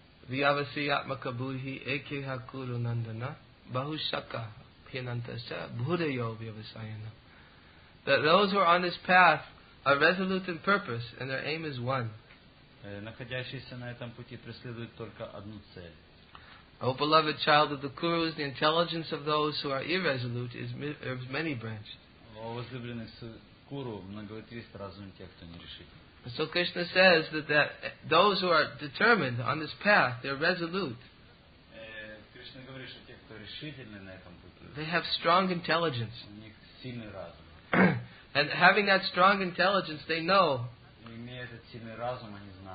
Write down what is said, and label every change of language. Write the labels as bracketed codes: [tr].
[en] Vyavasi atmaka buhi eke hakuru nandana bahushaka pinantasya bhudayo vyavasayana. That those who are on this path are resolute in purpose and their aim is one. [ru] Находящийся на этом пути преследует только одну цель. [en] O beloved child of the Kurus, the intelligence of those who are irresolute is many branched. [ru] О возлюбленный Куру, многовитый разум тех, кто не решительный. [en] So Krishna says that those who are determined on this path, they're resolute. [ru] Кришна говорит, что те, кто решительны на этом пути. [en] They have strong intelligence. [ru] У них сильный разум. [en] And having that strong intelligence, they know. [ru] Имея этот сильный разум, они